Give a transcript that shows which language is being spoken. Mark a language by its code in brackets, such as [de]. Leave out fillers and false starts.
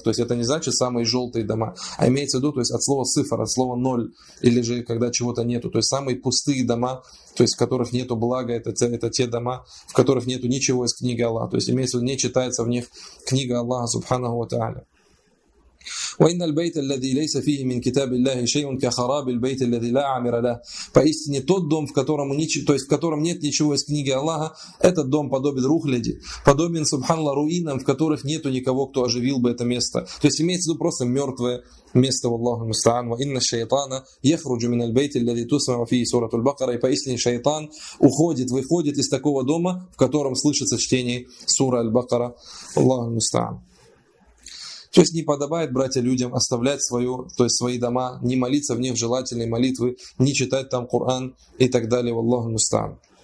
[ru] То есть это не значит «самые желтые дома», а имеется в виду, то есть от слова «сифр», от слова «ноль», или же когда чего-то нету. То есть самые пустые дома, то есть в которых нету блага, это те дома, в которых нету ничего из книги Аллаха. То есть имеется в виду, не читается в них книга Аллаха, субханаху ва тааля. [ar] وإن البيت الذي ليس فيه من كتاب الله شيء كخراب البيت الذي لا عمر له. [ru] Поистине тот дом, в котором нет ничего из книги Аллаха, этот дом подобен рухляди, подобен, субханаллах, руинам, в которых нету никого, кто оживил бы это место. То есть имеется в виду просто мертвое место, валлаху мустаан. [ar] وإن الشيطان يخرج من البيت الذي تسمع فيه سورة البقرة. [ru] И поистине шайтан выходит из такого дома, в котором слышится чтение суры аль-Бакара. Аллаху мустаан. То есть не подобает, братья, людям оставлять свои дома, не молиться в них желательной молитвы, не читать там Коран и так далее, валлаху мустаан.